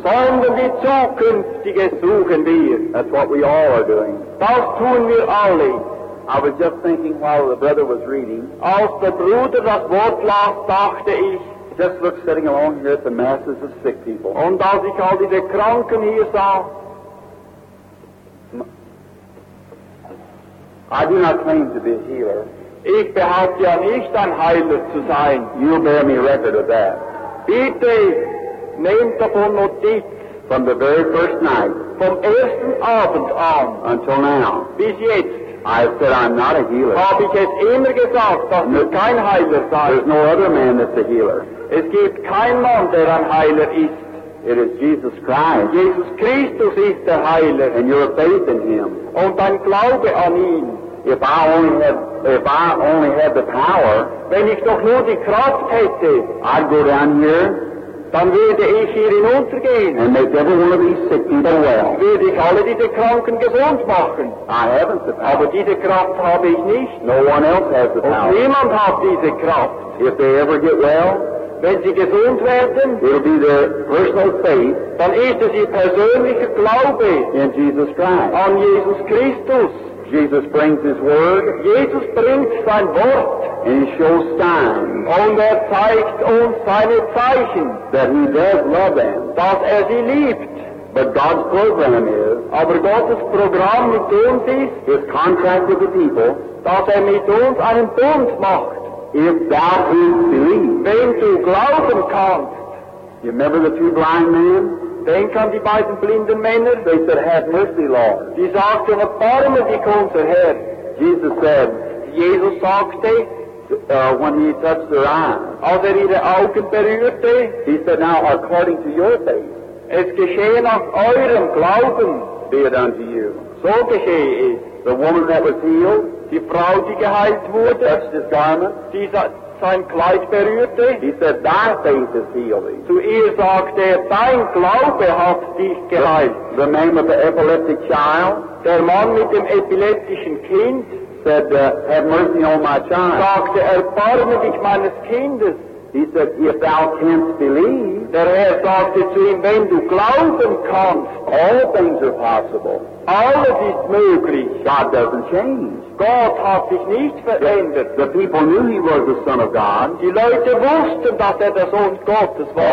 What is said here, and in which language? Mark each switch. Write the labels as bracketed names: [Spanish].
[German] Sondern die zukünftige suchen wir. [English] That's what we all are doing. [German] Das tun wir alle. [English] I was just thinking while the brother was reading. [German] Als der Bruder das Wort las, dachte ich. [English] Just look sitting along here at the masses of sick people. [German] Und als ich all diese Kranken hier sah. [English] I do not claim to be a healer. [German] Ich behaupte ja nicht, ein Heiler zu sein. [English] You bear me record of that. [German] Bitte, nehmt davon Notiz. [English] From the very first night. [German] Vom ersten Abend an. [English] Until now. [German] Bis jetzt. [English] I have said I'm not a healer. [German] Habe ich es immer gesagt, dass du kein Heiler sei. [English] There's no other man that's a healer. [German] Es gibt kein Mann, der ein Heiler ist. [English] It is Jesus Christ. [German] Jesus Christus ist der Heiler. [English] And your faith in Him. [German] Und dein Glaube an ihn. [English] If I only had the power. [German] Wenn ich doch nur die Kraft hätte. [English] I'd go down here. [German] Dann würde ich hier hinuntergehen. [English] And make every one of these sick people well. [German] Würde ich alle diese Kranken gesund machen. [English] I haven't the power. [German] Aber diese Kraft habe ich nicht. [English] No one else has the power. [German] Und niemand hat diese Kraft. [English] If they ever get well. [German] wenn sie gesund werden, [English] it'll be their personal faith, [German] dann ist es ihr persönlicher Glaube [English] in Jesus Christ. [German] An Jesus Christus. [English] Jesus brings his word. [German] Jesus bringt sein Wort. [English] And he shows signs. [German] Und zeigt uns seine Zeichen. [English] That he does love them. [German] Dass sie liebt. [English] But God's program is. [German] Aber Gottes Programm mit uns ist. [English] His contract with the people. [German] Dass mit uns einen Bund macht. [English] If thou wilt believe. [German] Wenn du glauben kannst. [English] You remember the two blind men? [German] Denk an die beiden blinden Männer. [English] They said, have mercy, Lord. [German] Die sagten, erbarme dich unser Herr. [English] Jesus said. [German] Jesus sagte, [English] when he touched their eyes, [German] als ihre Augen berührte, [English] he said, now according to your faith, [German] es geschehe nach eurem Glauben, [English] be it unto you. [German] So geschehe es. [English] The woman that was healed, [German] die Frau, die geheilt wurde, [English] that touched his garment, [German] die sein Kleid berührte, [English] he said, thy faith has healed thee. [German] Zu ihr sagte, dein Glaube hat dich geheilt. [English] The name of the epileptic child, [German] der Mann mit dem epileptischen Kind, [English] said, have mercy on my child. [German] Sagte, erbarme dich meines Kindes. [English] He said, if thou canst believe. [German] Der Herr sagte zu ihm, wenn du glauben kannst. [English] All things are possible. [German] Alles ist möglich. [English] God doesn't change. [German] Gott hat sich nicht verändert. [English] The people knew he was the Son of God. [German] Die Leute wussten, dass der Sohn Gottes war.